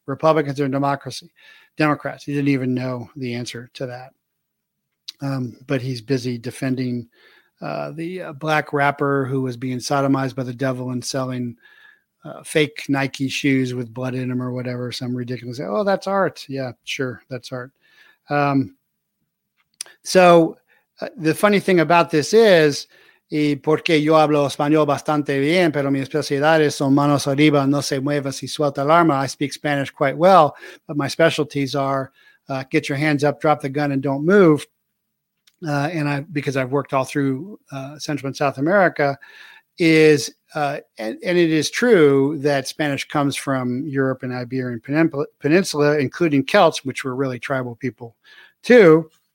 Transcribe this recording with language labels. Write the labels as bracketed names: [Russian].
[English] Republicans or democracy? Democrats. He didn't even know the answer to that. But he's busy defending the black rapper who was being sodomized by the devil and selling fake Nike shoes with blood in them or whatever. Some ridiculous. Oh, that's art. Yeah, sure. That's art. So the funny thing about this is, [Spanish] y porque yo hablo español bastante bien, pero mi especialidad es son manos arriba, no se mueva si suelta el arma. [English] I speak Spanish quite well, but my specialties are get your hands up, drop the gun, and don't move. Because I've worked all through Central and South America, is and it is true that Spanish comes from Europe and Iberian Peninsula, including Celts, which were really tribal people, too.